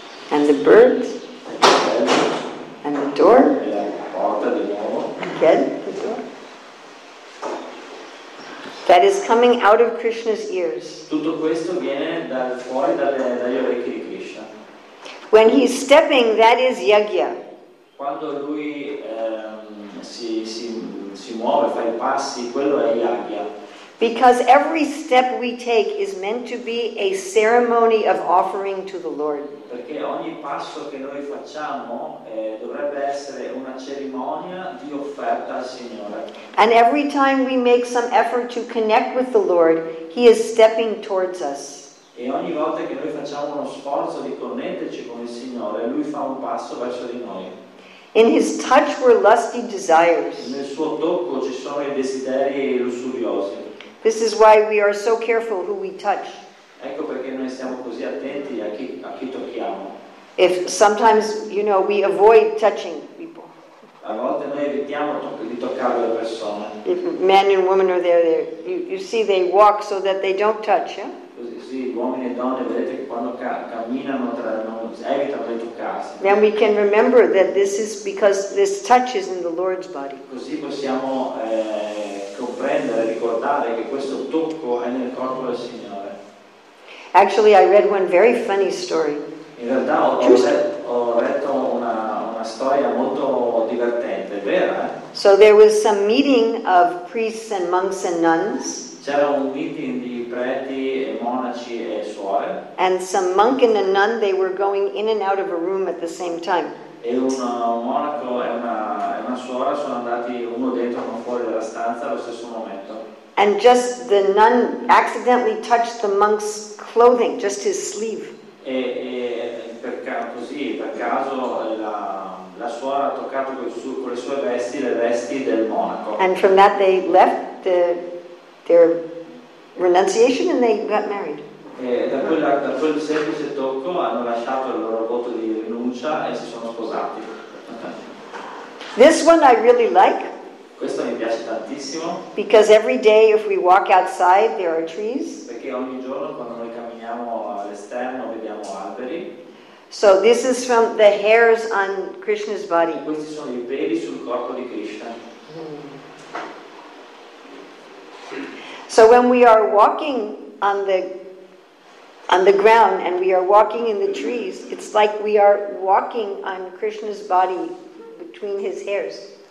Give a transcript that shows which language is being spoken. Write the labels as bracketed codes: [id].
[en] And the birds, and the door, again, the door, that is coming out of Krishna's ears. [it] Tutto questo viene dal fuori, dagli orecchi di Krishna. [en] When he's stepping, that is yajna. [it] Quando lui si muove, fa i passi, quello è yajna. [en] Because every step we take is meant to be a ceremony of offering to the Lord. [it] Perché ogni passo che noi facciamo dovrebbe essere una cerimonia di offerta al Signore. [en] And every time we make some effort to connect with the Lord, He is stepping towards us. [it] E ogni volta che noi facciamo uno sforzo di connetterci con il Signore, Lui fa un passo verso di noi. [en] In His touch were lusty desires. [it] Nel suo tocco ci sono i desideri lussuriosi. [en] This is why we are so careful who we touch. [it] Ecco perché noi siamo così attenti a chi tocchiamo. [en] If sometimes, you know, we avoid touching people. [it] A volte noi evitiamo di toccare le persone. [en] If men and women are there, you see they walk so that they don't touch, yeah? [it] Così, sì, uomini e donne, vedete che quando camminano tra noi, evitano di toccarsi. [en] Then we can remember that this is because this touch is in the Lord's body. [it] Così possiamo comprendere, ricordare che questo tocco è nel corpo del Signore. [en] Actually, I read one very funny story. [it] In realtà ho letto una storia molto divertente, vera? [en] So there was some meeting of priests and monks and nuns. [it] C'era un meeting di preti, monaci e suore. [en] And some monk and a nun, they were going in and out of a room at the same time. [it] E un monaco e una suora sono andati uno dentro e uno fuori della stanza allo stesso momento. [en] And just the nun accidentally touched the monk's clothing, just his sleeve. [it] Così per caso la suora ha toccato con le sue vesti le vesti del monaco. [en] And from that they left their renunciation and they got married. [it] Da quel semplice tocco hanno lasciato il loro voto di rinuncia e si sono sposati. [en] This one I really like. [it] Questo mi piace tantissimo. [en] Because every day if we walk outside there are trees. [it] Perché ogni giorno quando noi camminiamo all'esterno vediamo alberi. [en] So this is from the hairs on Krishna's body. [it] E questi sono i peli sul corpo di Krishna. [en] So when we are walking on the ground and we are walking in the trees, it's like we are walking on Krishna's body between his hairs.